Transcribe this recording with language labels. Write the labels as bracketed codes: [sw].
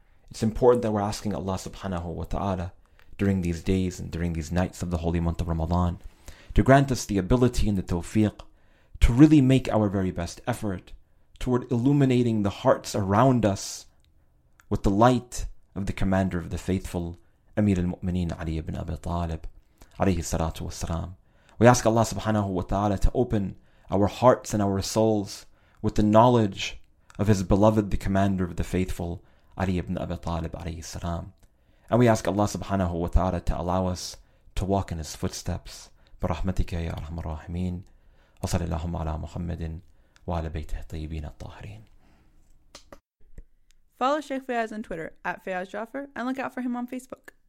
[en] It's important that we're asking Allah subhanahu wa ta'ala during these days and during these nights of the holy month of Ramadan to grant us the ability and the tawfiq to really make our very best effort toward illuminating the hearts around us with the light of the commander of the faithful, Amir al-Mu'mineen Ali ibn Abi Talib, alayhi salatu wasalam. We ask Allah subhanahu wa ta'ala to open our hearts and our souls with the knowledge of his beloved, the commander of the faithful, Ali ibn Abi Talib, alayhi salam. And we ask Allah subhanahu wa ta'ala to allow us to walk in his footsteps. [ar] برحمتك يا أرحم الراحمين وصل اللهم على محمد وعلى بيته الطيبين الطاهرين. [en] Follow Sheikh Fayaz on Twitter @FayazJaffer and look out for him on Facebook.